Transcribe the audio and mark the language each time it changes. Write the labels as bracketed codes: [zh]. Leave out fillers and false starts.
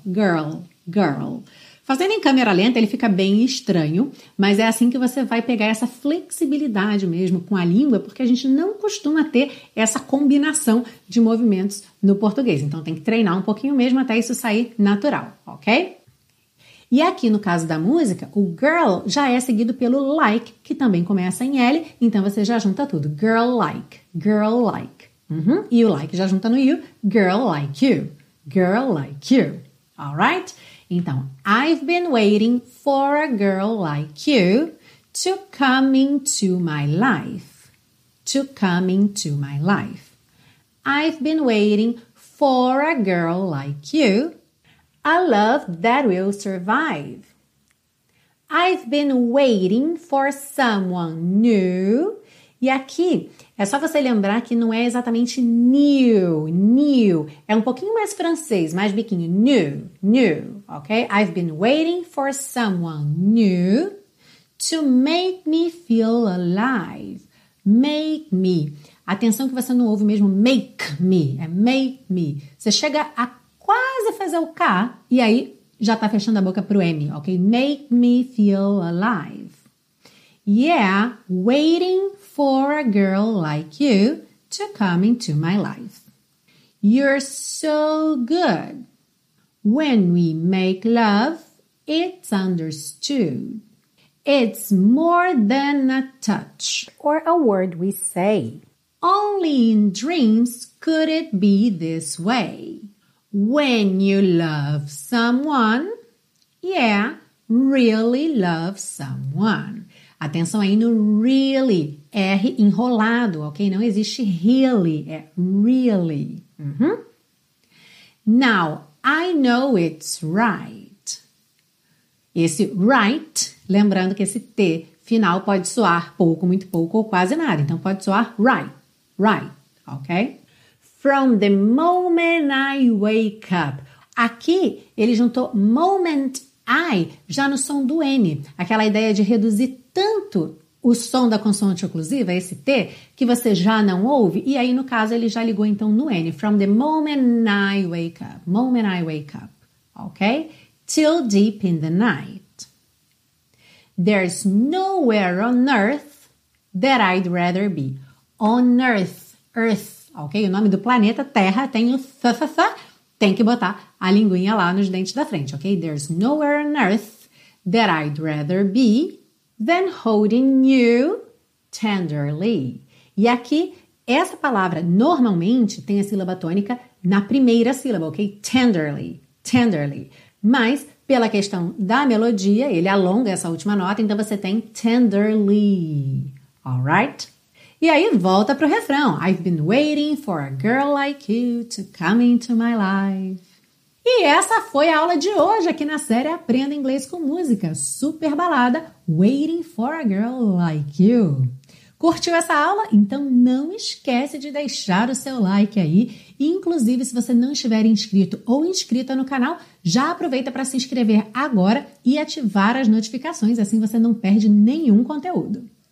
[en] Girl, girl. [pt] Fazendo em câmera lenta, ele fica bem estranho, mas é assim que você vai pegar essa flexibilidade mesmo com a língua, porque a gente não costuma ter essa combinação de movimentos no português. Então, tem que treinar um pouquinho mesmo até isso sair natural, ok? E aqui, no caso da música, o girl já é seguido pelo like, que também começa em L, então você já junta tudo. [en] Girl like, girl like. Uhum. [pt] E o like já junta no you. [en] Girl like you, girl like you. All right? Então, I've been waiting for a girl like you to come into my life. To come into my life. I've been waiting for a girl like you. A love that will survive. I've been waiting for someone new. [pt] E aqui, é só você lembrar que não é exatamente new, new. É um pouquinho mais francês, mais biquinho. [en] New, new, ok? I've been waiting for someone new to make me feel alive. Make me. [pt] Atenção que você não ouve mesmo make me. É make me. Você chega a quase fazer o K e aí já tá fechando a boca pro M, ok? [en] Make me feel alive. Yeah, waiting for a girl like you to come into my life. You're so good. When we make love, it's understood. It's more than a touch or a word we say. Only in dreams could it be this way. When you love someone, yeah, really love someone. [pt] Atenção aí no really, R enrolado, ok? Não existe really, é really. Uhum. [en] Now, I know it's right. [pt] Esse right, lembrando que esse T final pode soar pouco, muito pouco ou quase nada. Então, pode soar right, right, ok? [en] From the moment I wake up. [pt] Aqui, ele juntou moment I já no som do N. Aquela ideia de reduzir tanto o som da consoante oclusiva, esse T, que você já não ouve. E aí, no caso, ele já ligou então no N. [en] From the moment I wake up. Moment I wake up. Ok? Till deep in the night. There's nowhere on earth that I'd rather be. On earth. Earth. Ok? [pt] O nome do planeta Terra tem o fa. Tem que botar a linguinha lá nos dentes da frente, ok? [en] There's nowhere on earth that I'd rather be than holding you tenderly. [pt] E aqui, essa palavra normalmente tem a sílaba tônica na primeira sílaba, ok? Tenderly, tenderly. Mas Pela questão da melodia, ele alonga essa última nota, então você tem tenderly, alright? E aí volta pro refrão. [en] I've been waiting for a girl like you to come into my life. [pt] E essa foi a aula de hoje aqui na série Aprenda Inglês com Música, super balada, Waiting for a Girl Like You. Curtiu essa aula? Então não esquece de deixar o seu like aí. Inclusive, se você não estiver inscrito ou inscrita no canal, já aproveita para se inscrever agora e ativar as notificações, assim você não perde nenhum conteúdo.